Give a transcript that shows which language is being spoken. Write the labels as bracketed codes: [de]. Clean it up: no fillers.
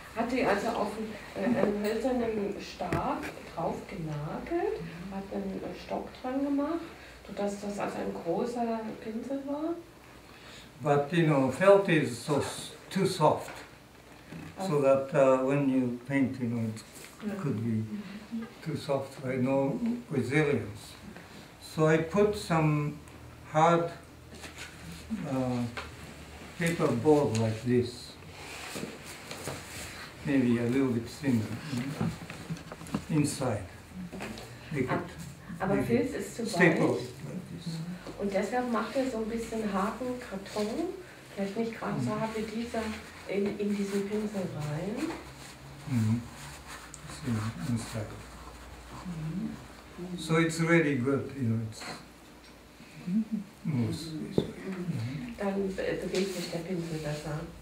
[de] Hat die also auf einen hölzernen Stab drauf genagelt, hat einen Stock dran gemacht, sodass das also ein großer Pinsel war? [en] But you know, felt is so too soft, so that when you paint, you know, it could be too soft, right? No resilience. So I put some hard paper board like this. Maybe a little bit thinner inside. [de] Aber Filz ist zu weich. Und deshalb macht er so ein bisschen harten Karton, vielleicht nicht gerade so hart wie dieser, in diesen Pinsel rein. Mm-hmm. [en] Inside. So it's really good, you know. It's [de] muss. Dann bewegt sich der Pinsel besser.